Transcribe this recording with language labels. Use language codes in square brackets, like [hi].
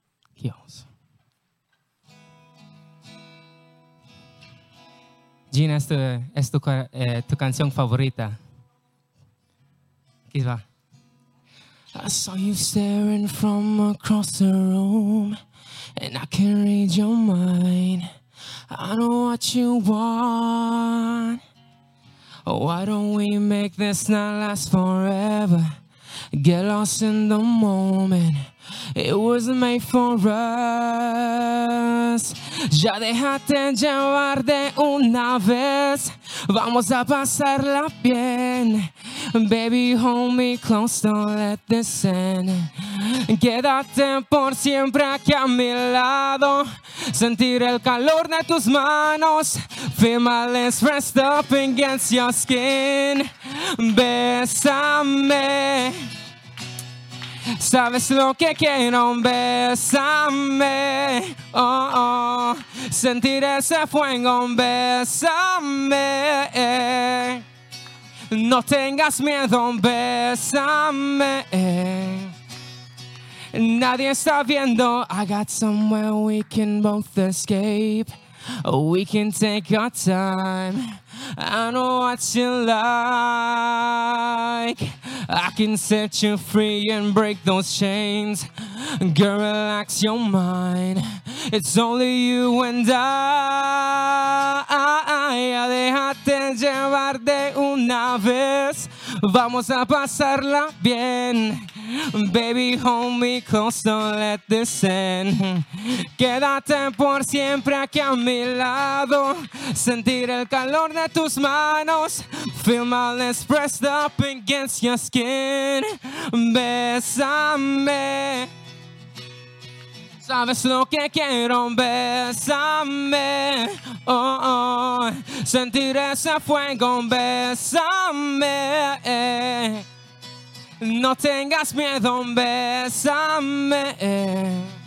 [es] Aquí vamos. Gina, es tu canción favorita. Aquí va. [en] I saw you staring from across the room, and I can read your mind. I know what you want. Why don't we make this night last forever? Get lost in the moment. It was made for us. [es] Ya déjate llevar de una vez. Vamos a pasarla bien. [en] Baby, hold me close, don't let this end. [es] Quédate por siempre aquí a mi lado. Sentir el calor de tus manos. [en] Feel my lips rest up against your skin. [es] Bésame. Sabes lo que quiero, bésame. Oh, oh. Sentir ese fuego, bésame. No tengas miedo, bésame. Nadie está viendo. [en] I got somewhere we can both escape. We can take our time. I know what you like. I can set you free and break those chains. Girl, relax your mind. It's only you and I. [es] Ya déjate llevar de una vez. Vamos a pasarla bien. [en] Baby, hold me close, don't let this end. [es] Quédate por siempre aquí a mi lado. Sentir el calor de tus manos. [en] Feel my lips pressed up against your skin. [es] Bésame. Sabes lo que quiero, bésame. Oh, oh. Sentir ese fuego, bésame. No tengas miedo, bésame.